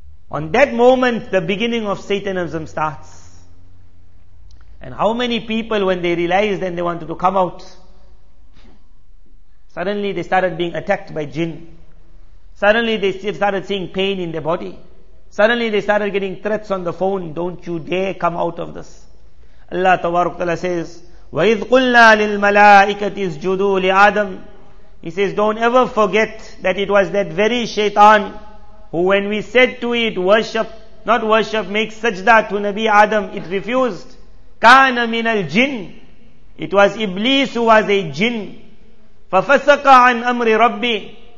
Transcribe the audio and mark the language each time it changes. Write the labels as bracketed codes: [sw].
[en] On that moment, the beginning of Satanism starts. And how many people, when they realized and they wanted to come out, suddenly they started being attacked by jinn. Suddenly they started seeing pain in their body. Suddenly they started getting threats on the phone. Don't you dare come out of this. Allah Ta'ala says, [ar] وَإِذْ قُلْنَا لِلْمَلَائِكَةِ اسْجُدُوا لِآدَمَ. [en] He says, don't ever forget that it was that very shaitan who, when we said to it, worship, not worship, make sajda to Nabi Adam, it refused. [ar] كَانَ مِنَ الْجِنِّ. [en] It was Iblis who was a jinn. [ar] فَفَسَقَ عَنْ أَمْرِ رَبِّي.